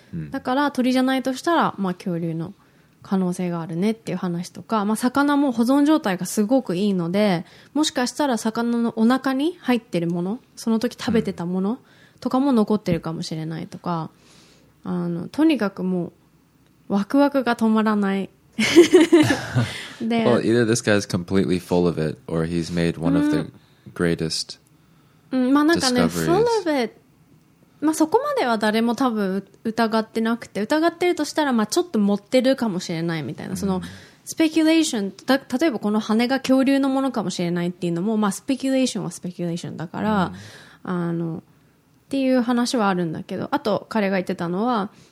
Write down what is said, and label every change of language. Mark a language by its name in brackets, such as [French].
[Japanese] だから鳥じゃないとしたら、まあ、恐竜の可能性があるねっていう話とか、まあ、魚も保存状態がすごくいいので、もしかしたら魚のお腹に入ってるもの、その時食べてたものとかも残ってるかもしれないとか、とにかくもうワクワクが止まらない [English] で、well, either this guy is completely full of it or he's made one of the greatest discoveries. [Japanese] まあなんかね、 [English] full of it、 [Japanese] まあ、そこまでは誰も多分疑ってなくて、疑ってるとしたらまあちょっと持ってるかもしれないみたいな、そのスペキュレーション、例えばこの羽が恐竜のものかもしれないっていうのも、まあ、スペキュレーションはスペキュレーションだから、うん、っていう話はあるんだけど、あと彼が言ってたのは